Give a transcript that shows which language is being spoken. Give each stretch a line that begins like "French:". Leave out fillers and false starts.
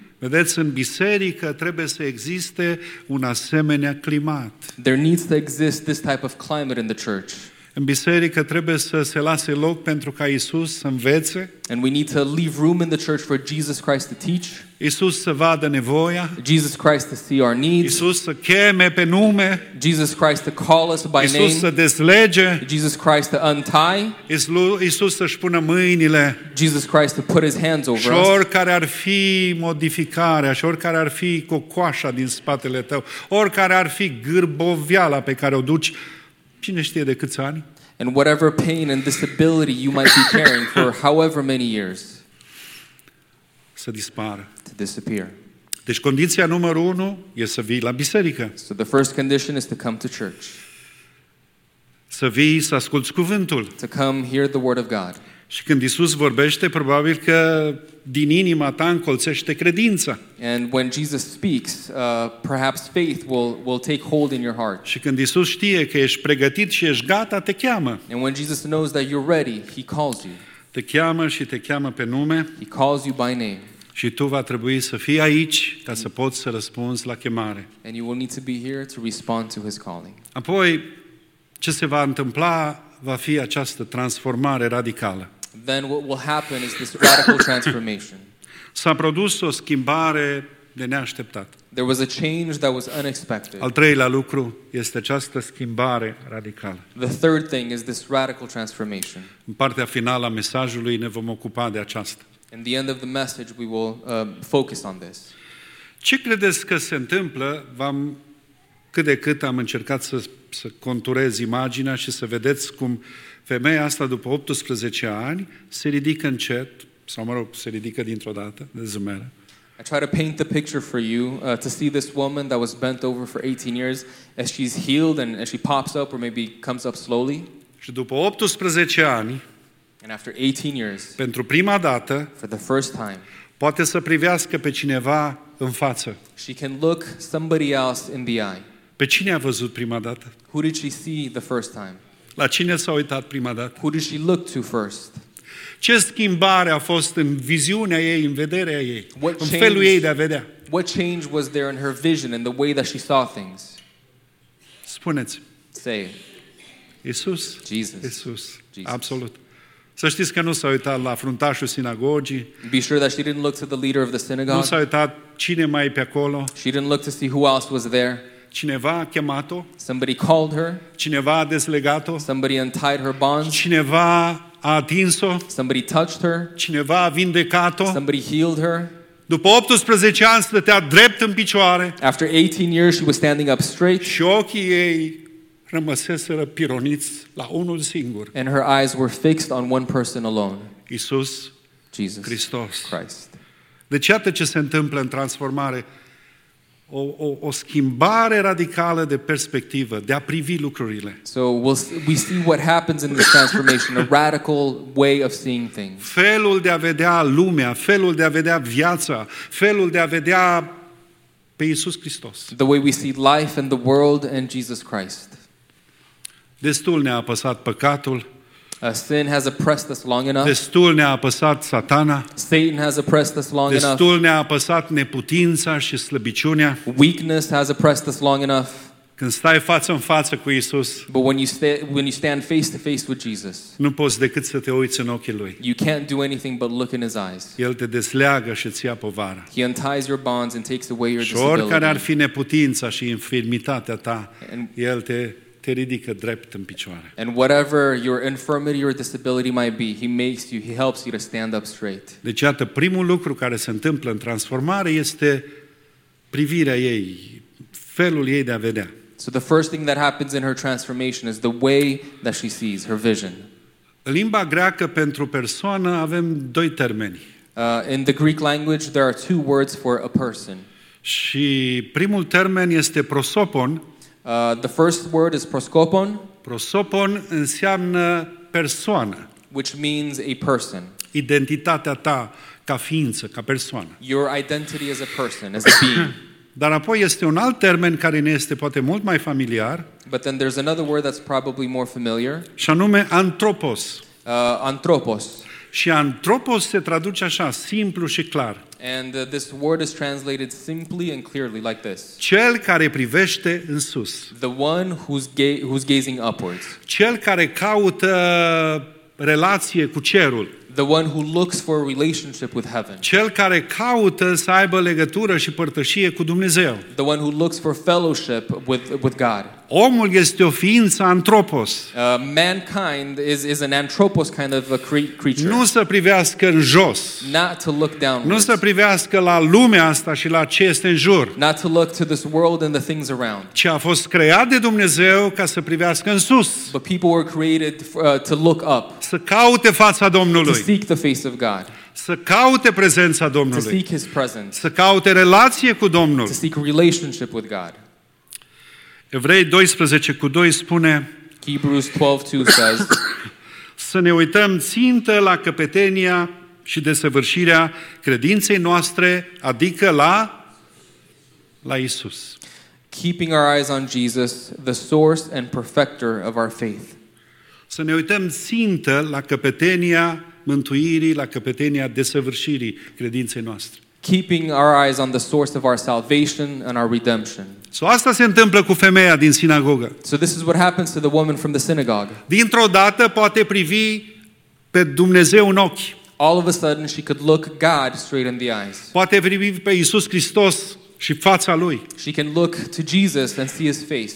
Romanian: Vedeți, în biserică trebuie să existe un asemenea climat.
English: There needs to exist this type of climate in the church.
Romanian: În biserică trebuie să se lase loc pentru ca Iisus să învețe.
English: And we need to leave room in the church for Jesus Christ to teach.
Romanian: Iisus să vadă nevoia.
English: Jesus Christ to see our needs.
Romanian: Iisus să cheme pe nume.
English: Jesus Christ to call us by
Romanian: Iisus
English: name.
Romanian: Iisus să deslege.
English: Jesus Christ to untie.
Romanian: Iisus să-și pună mâinile.
English: Jesus Christ to put his hands over us.
Romanian: Și oricare ar fi modificarea, și oricare ar fi cocoașa din spatele tău, oricare ar fi gârboviala pe care o duci, cine știe de câți ani?
English: And whatever pain and disability you might be carrying for however many years.
Romanian: Să dispară.
English: To disappear.
Romanian: Deci condiția numărul 1 e să vii la biserică.
English: So the first condition is to come to church.
Romanian: Să vii să asculți cuvântul.
English: To come hear the word of God.
Romanian: Și când Iisus vorbește, probabil că din inima ta încolțește credința.
English: And when Jesus speaks, perhaps faith will take hold in your heart.
Romanian: Și când Iisus știe că ești pregătit și ești gata, te cheamă.
English: And when Jesus knows that you're ready, he calls you.
Romanian: Te cheamă și te cheamă pe nume.
English: He calls you by name.
Romanian: Și tu va trebui să fii aici ca să poți să răspunzi la chemare.
English: And you will need to be here to respond to his calling.
Romanian: Apoi, ce se va întâmpla? Va fi această transformare radicală.
English: Then what will happen is this radical transformation.
Romanian: S-a produs o schimbare de neașteptat.
English: There was a change that was unexpected.
Romanian: Al treilea lucru este această schimbare radicală.
English: The third thing is this radical transformation.
Romanian: În partea finală a mesajului ne vom ocupa de aceasta.
English: In the end of the message we will focus on this.
Romanian: Ce credeți că se întâmplă? Cât de cât am încercat să conturez imaginea și să vedeți cum femeia asta după 18 ani se ridică încet, sau mă rog, se ridică dintr-o dată, de zâmbere.
English: I try to paint the picture for you, to see this woman that was bent over for 18 years, as she's healed and as she pops up or maybe comes up slowly.
Romanian: Și după 18 ani,
English: and after 18 years,
Romanian: pentru prima dată,
English: for the first time,
Romanian: poate să privească pe cineva în față.
English: She can look somebody else in the eye.
Romanian: Pe cine a văzut prima dată?
English: Who did she see the first time?
Romanian: La cine s-a uitat prima dată?
English: Who did she look to first?
Romanian: Ce schimbare a fost în viziunea ei, în vederea ei, what în change, felul ei de a vedea?
English: What change was there in her vision, in the way that she saw things?
Romanian: Spuneți.
English: Say.
Romanian: Iisus.
English: Jesus.
Romanian: Iisus. Jesus. Absolut. Să știți că nu s-a uitat la fruntașul sinagogii.
English: Be sure that she didn't look to the leader of the synagogue.
Romanian: Nu s-a uitat cine mai e pe acolo.
English: She didn't look to see who else was there.
Romanian: Cineva a chemat-o.
English: Somebody called her.
Romanian: Cineva a deslegat-o.
English: Somebody untied her bonds.
Romanian: Cineva a atins-o.
English: Somebody touched her.
Romanian: Cineva a vindecat-o.
English: Somebody healed her.
Romanian: După 18 ani stătea drept în picioare.
English: After 18 years she was standing up straight.
Romanian: Și ochii ei rămăseseră pironiți la unul singur.
English: And her eyes were fixed on one person alone.
Romanian: Iisus.
English: Jesus.
Romanian: Hristos.
English: Christ.
Romanian: Deci iată ce se întâmplă în transformare. o schimbare radicală de perspectivă, de a privi lucrurile.
English: So we see what happens in this transformation, a radical way of seeing things.
Romanian: Felul de a vedea lumea, felul de a vedea viața, felul de a vedea pe Iisus Hristos.
English: The way we see life and the world and Jesus Christ.
Romanian: Destul ne-a apăsat păcatul.
English: Sin has oppressed us long enough.
Romanian: Destul ne-a apăsat Satana.
English: Satan has oppressed us long enough.
Romanian: Destul ne-a apăsat neputința și slăbiciunea.
English: Weakness has oppressed us long enough.
Romanian: Când stai față în față cu Isus,
English: but when you stand face to face with Jesus,
Romanian: nu poți decât să te uiți în ochii lui.
English: You can't do anything but look in his eyes.
Romanian: El te desleagă și ți-a povara.
English: He unties your bonds and takes away your disability.
Romanian: Și oricare ar fi neputința și infirmitatea ta, el te ridică drept în picioare.
English: And whatever your infirmity or disability might be, he helps you to stand up straight.
Romanian: Deci, iată, primul lucru care se întâmplă în transformare este privirea ei, felul ei de a vedea.
English: So the first thing that happens in her transformation is the way that she sees, her vision.
Romanian: În limba greacă pentru persoană avem doi termeni.
English: In the Greek language there are two words for a person.
Romanian: Și primul termen este prosopon.
English: The first word is proskopon.
Romanian: Prosopon înseamnă persoană.
English: Which means a person.
Romanian: Identitatea ta ca ființă, ca persoană.
English: Your identity as a person, as a being.
Romanian: Dar apoi este un alt termen care ne este poate mult mai familiar.
English: But then there's another word that's probably more familiar.
Romanian: Și anume antropos.
English: Antropos.
Romanian: Și antropos se traduce așa, simplu și clar.
English: And this word is translated simply and clearly like this.
Romanian: Cel care privește în sus.
English: The one who's gazing upwards.
Romanian: Cel care caută relație cu cerul.
English: The one who looks for a relationship with heaven.
Romanian: Cel care caută să aibă legătură și părtășie cu Dumnezeu.
English: The one who looks for fellowship with God.
Romanian: Omul este o ființă antropos.
English: Mankind is an anthropos kind of a creature.
Romanian: Nu să privească în jos.
English: Not to look downwards.
Romanian: Nu să privească la lumea asta și la ce este în jur.
English: Not to look to this world and the things around.
Romanian: Ce a fost creat de Dumnezeu ca să privească în sus.
English: But people were created to look up.
Romanian: Să caute fața Domnului.
English: To seek the face of God.
Romanian: Să caute prezența Domnului.
English: To seek his presence.
Romanian: Să caute relație cu Domnul.
English: To seek relationship with God.
Romanian: Evrei 12 cu 2 spune
English: Hebrews 12, 2 says,
Romanian: să ne uităm țintă la căpetenia și desăvârșirea credinței noastre, adică la Isus.
English: Keeping our eyes on Jesus, the source and perfecter of our faith.
Romanian: Să ne uităm țintă la căpetenia mântuirii, la căpetenia desăvârșirii credinței noastre.
English: Keeping our eyes on the source of our salvation and our redemption.
Romanian: So asta se întâmplă cu femeia din sinagogă.
English: So this is what happens to the woman from the synagogue.
Romanian: Dintr-o dată poate privi pe Dumnezeu în ochi.
English: All of a sudden she could look God straight in the eyes.
Romanian: Poate privi pe Iisus Hristos și fața lui.
English: She can look to Jesus and see his face.